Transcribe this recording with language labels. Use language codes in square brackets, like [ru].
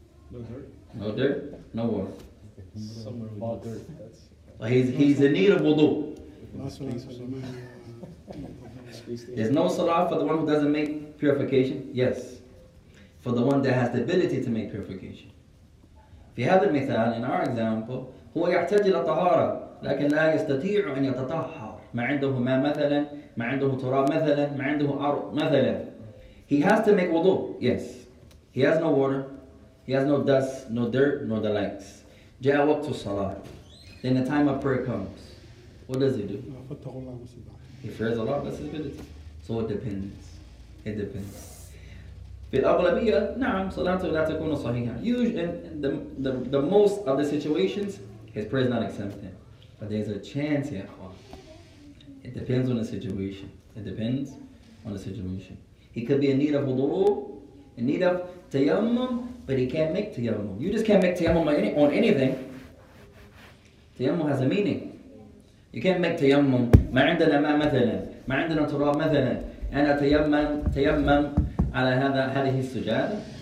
[en] No dirt? No dirt? No water. Somewhere with all dirt. But he's in need of wudu. There's no salah for the one who doesn't make purification? Yes. For the one that has the ability to make purification. [ar] في هذا المثال, [en] in our example, [ar] هو يحتاج إلى طهارة لكن لا يستطيع أن يتطهر. ما عنده ماء مثلا, ما عنده تراب مثلا, ما عنده أرض مثلا. [en] He has to make wudu, yes. He has no water, he has no dust, no dirt, nor the likes. [ar] جاء وقت الصلاة. [en] Then the time of prayer comes. What does he do? He fears Allah, that's his ability. So it depends. It depends. [ar] في الأغلبية نعم صلاته لا تكون صحيحة. [en] Usually, in the most of the situations, his prayer is not accepted. But there's a chance, [ar] يا أخوان. [en] It depends on the situation. It depends on the situation. He could be in need of wudu, in need of tayammum, but he can't make tayammum. You just can't make tayammum on anything. Tayammum has a meaning. You can't make tayammum. [ar] ما عندنا ماء مثلا, ما عندنا تراب مثلا. أنا تيمم على هذه السجادة.